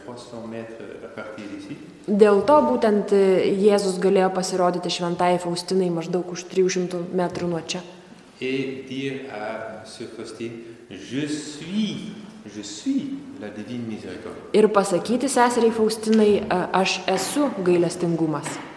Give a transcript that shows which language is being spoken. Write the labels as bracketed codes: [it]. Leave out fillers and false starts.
[lt] Dėl to būtent Jėzus galėjo pasirodyti šventai Faustinai maždaug už 300 metrų nuo čia. [fr] Je suis la divine miséricorde. [lt] Ir pasakyti seseriai Faustinai, aš esu gailestingumas.